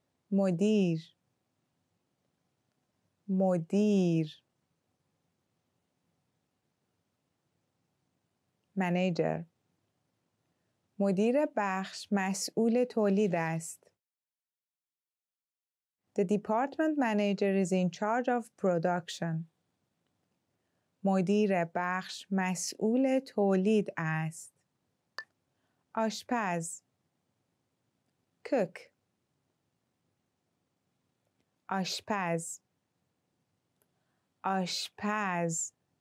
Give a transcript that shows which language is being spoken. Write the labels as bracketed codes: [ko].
[fa] مدیر. مدیر. [en] Manager. [fa] مدیر بخش مسئول تولید است. [en] The department manager is in charge of production. [fa] مدیر بخش مسئول تولید است. آشپز. [en] Cook. [fa] آشپز. آشپز.